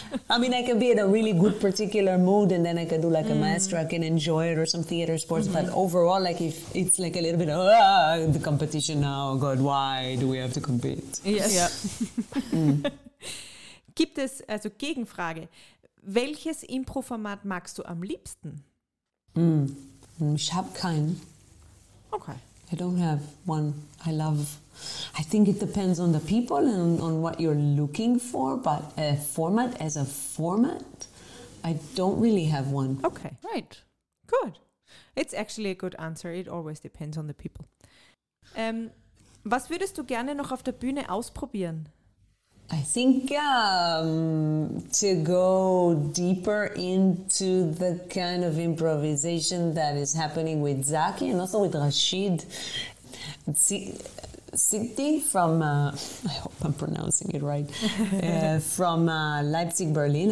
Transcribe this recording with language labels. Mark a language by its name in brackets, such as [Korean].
[English] I mean, I can be in a really good particular mood and then I can do like a maestro, I can enjoy it or some theater sports, but overall, like if it's like a little bit, the competition now, God, why do we have to compete? Yes. Yeah. [German] Gibt es, also Gegenfrage, welches Impro-Format magst du am liebsten? Ich habe keinen. [English] Okay. I don't have one. I think it depends on the people and on what you're looking for, but a format as a format, I don't really have one. Okay, right. Good. It's actually a good answer. It always depends on the people. [German] Was würdest du gerne noch auf der Bühne ausprobieren? [English] I think to go deeper into the kind of improvisation that is happening with Zaki and also with Rashid. Sinti from, I hope I'm pronouncing it right, from Leipzig, Berlin.